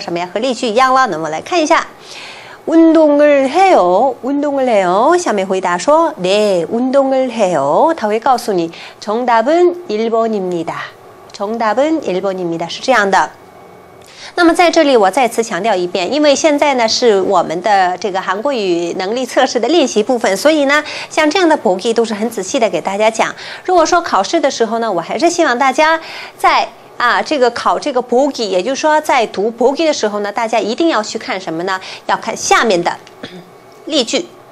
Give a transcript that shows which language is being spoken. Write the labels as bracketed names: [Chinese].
[Chinese] 那么听下列的对话，然后呢挑选出正确的答案。当然是和什么呀？和例句一样了。那么来看一下。 [Korean] 운동을 해요. 운동을 해요. [Chinese] 下面 回答说, [Korean] 네, 운동을 해요. [Chinese] 他会告诉你, [Korean] 정답은 1번입니다. 정답은 1번입니다. [Chinese] 是这样的。那么在这里我再次强调一遍，因为现在呢是我们的这个韩国语能力测试的练习部分，所以呢像这样的보기都是很仔细的给大家讲。如果说考试的时候呢，我还是希望大家在这个考这个 보기， 也就是说在读 보기 的时候呢，大家一定要去看什么呢？要看下面的例句。